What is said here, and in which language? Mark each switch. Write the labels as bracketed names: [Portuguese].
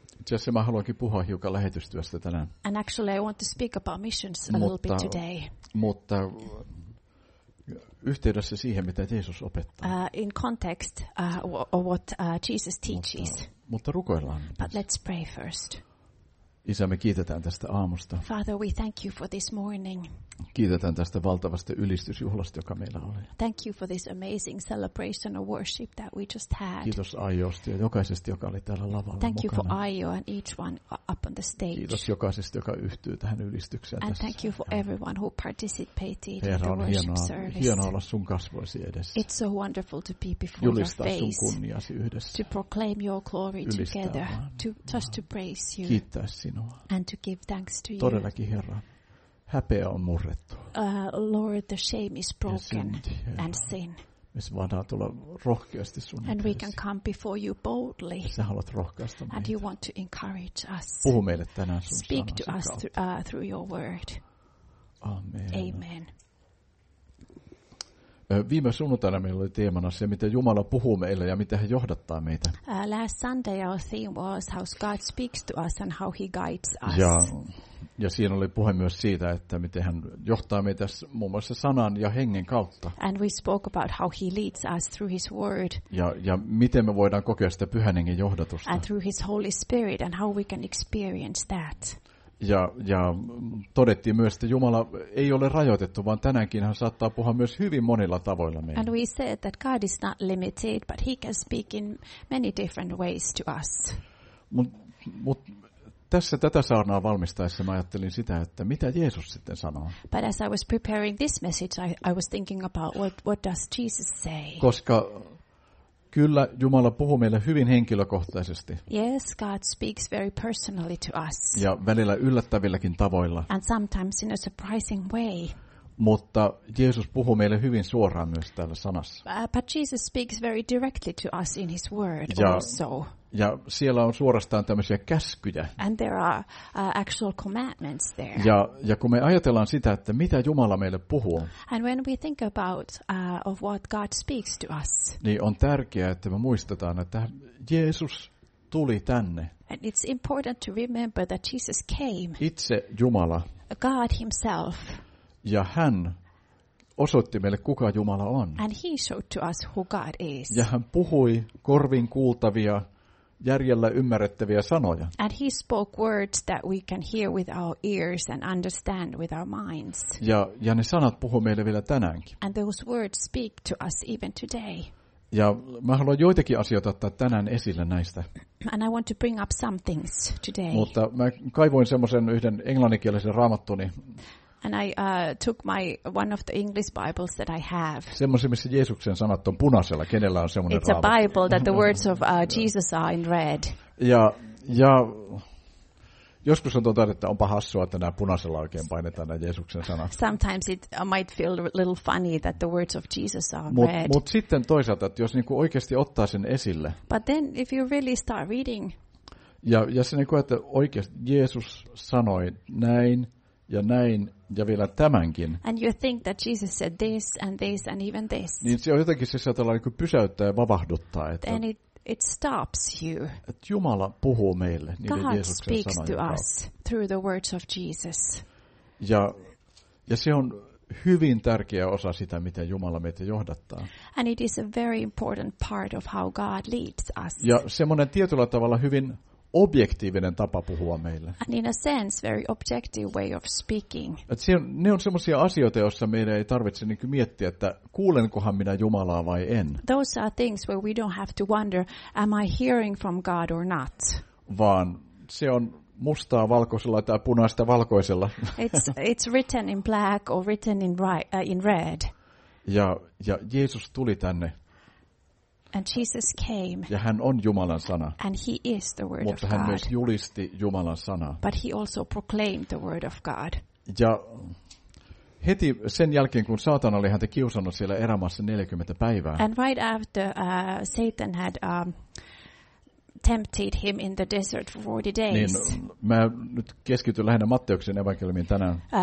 [Finnish] Jesse, mä haluankin puhua hiukan lähetystyöstä tänään. [English] And actually I want to speak about missions a little bit today. [Finnish] Mutta yhteydessä siihen, mitä Jeesus opettaa. [English] In context of what Jesus teaches. [Finnish] Mutta rukoillaan. [English] But let's pray first. [Finnish] Isä, me kiitetään tästä aamusta. [English] Father, we thank you for this morning. [Finnish] Kiitetään tästä valtavasta ylistysjuhlasta, joka meillä oli. [English] Thank you for this amazing celebration of worship that we just had. [Finnish] Kiitos Aijosta ja jokaisesta, joka oli täällä lavalla [English] thank [Finnish] mukana. [English] Thank you for Aijo and each one up on the stage. [Finnish] Kiitos jokaisesta, joka yhtyy tähän ylistykseen [English] and [Finnish] tässä. [English] And thank you for everyone who participated [Finnish] Herra, [English] in the worship service. [Finnish] Herra, on hienoa olla sun kasvoisi edessä. [English] It's so wonderful to be before your face. [Finnish] Julistaa sun kunniasi yhdessä. [English] To proclaim your glory [Finnish] ylistää [English] together. [Finnish] Vaan. [English] To just to praise you. [Finnish] Kiittää sinua. [English] And to give thanks to you. [Finnish] Todellakin Herra. Häpeä on murrettu. [English] Lord, the shame is broken and sin. [Finnish] Me saadaan tulla rohkeasti sun eteesi. [English] And we can come before you boldly. [Finnish] Sä haluat rohkaista meitä. [English] And you want to encourage us. [Finnish] Puhu meille tänään sun [English] speak to us [Finnish] kautta. [English] Through your word. [Finnish] Amen. Viime sunnuntaina meillä oli teemana se, mitä Jumala puhuu meille ja mitä hän johdattaa meitä. [English] Last Sunday our theme was how God speaks to us and how he guides us. [Finnish] Ja siinä oli puhe myös siitä, että miten hän johtaa meitä muun muassa sanan ja hengen kautta. [English] And we spoke about how he leads us through his word. [Finnish] Ja miten me voidaan kokea sitä pyhän hengen johdatusta. [English] And through his Holy Spirit and how we can experience that. [Finnish] Ja todettiin myös, että Jumala ei ole rajoitettu, vaan tänäänkin hän saattaa puhua myös hyvin monilla tavoilla meille. [English] And we said that God is not limited, but he can speak in many different ways to us. [Finnish] Mut tässä tätä saarnaa valmistaessa mä ajattelin sitä, että mitä Jeesus sitten sanoo. [English] But as I was preparing this message, I was thinking about what does Jesus say? [Finnish] Koska kyllä Jumala puhuu meille hyvin henkilökohtaisesti. [English] Yes, God speaks very personally to us. [Finnish] Ja välillä yllättävilläkin tavoilla. [English] And sometimes in a surprising way. [Finnish] Mutta Jeesus puhuu meille hyvin suoraan myös täällä sanassa. [English] But Jesus speaks very directly to us in his word also. [Finnish] Ja siellä on suorastaan tämmöisiä käskyjä. [English] And there are actual commandments there. [Finnish] Ja kun me ajatellaan sitä, että mitä Jumala meille puhuu. [English] And when we think about of what God speaks to us. [Finnish] Niin on tärkeää, että me muistetaan, että Jeesus tuli tänne. [English] And it's important to remember that Jesus came. [Finnish] Itse Jumala. [English] God himself. [Finnish] Ja hän osoitti meille, kuka Jumala on. [English] And he showed to us who God is. [Finnish] Ja hän puhui korvin kuultavia, järjellä ymmärrettäviä sanoja. [English] And he spoke words that we can hear with our ears and understand with our minds. [Finnish] Ja ne sanat puhuu meille vielä tänäänkin. [English] And those words speak to us even today. [Finnish] Ja mä haluan joitakin asioita ottaa tänään esille näistä. [English] And I want to bring up some things today. [Finnish] Mutta mä kaivoin semmoisen yhden englanninkielisen raamattuni. [English] And I took my one of the English Bibles that I have. [Finnish] Semmoisen, missä Jeesuksen sanat on punaisella. Kenellä on semmoinen raamattu? [English] It's a Bible that the words of Jesus are in red. [Finnish] Ja Joskus on totta, että onpa hassua, että nämä punaisella oikein painetaan nämä Jeesuksen sanat. [English] Sometimes it might feel a little funny that the words of Jesus are red. [Finnish] Mut sitten toisaalta, että jos niinku oikeasti ottaa sen esille. [English] But then if you really start reading. [Finnish] Ja sinne koet, että oikeasti Jeesus sanoi näin ja näin ja vielä tämänkin. [English] And you think that Jesus said this and this and even this. [Finnish] Niin se on jotenkin se, että niinku pysäyttää ja vavahduttaa. Että [English] it stops you. [Finnish] Että Jumala puhuu meille niiden [English] God [Finnish] Jeesuksen sanojen kautta. [English] God speaks to us through the words of Jesus. [Finnish] Ja se on hyvin tärkeä osa sitä, miten Jumala meitä johdattaa. [English] And it is a very important part of how God leads us. [Finnish] Ja semmoinen tietyllä tavalla hyvin objektiivinen tapa puhua meille. [English] And in a sense, very objective way of speaking. [Finnish] Ne on semmoisia asioita, joissa meidän ei tarvitse niin kuin miettiä, että kuulenkohan minä Jumalaa vai en. [English] Those are things where we don't have to wonder, am I hearing from God or not? [Finnish] Vaan se on mustaa valkoisella tai punaista valkoisella. [English] It's written in black or written in red. [Finnish] Ja Jeesus tuli tänne. [English] And Jesus came. [Finnish] Ja hän on Jumalan sana. [English] And he is the word [Finnish] Mutta [English] of God. [Finnish] Myös julisti Jumalan sanaa. [English] But he also proclaimed the word of God. [Finnish] Ja heti sen jälkeen, kun Saatan oli häntä kiusannut siellä erämaassa 40 päivää. [English] And right after Satan had tempted him in the desert for 40 days. [Finnish] Niin, mä nyt keskityn lähinnä Matteuksen evankeliumiin tänään.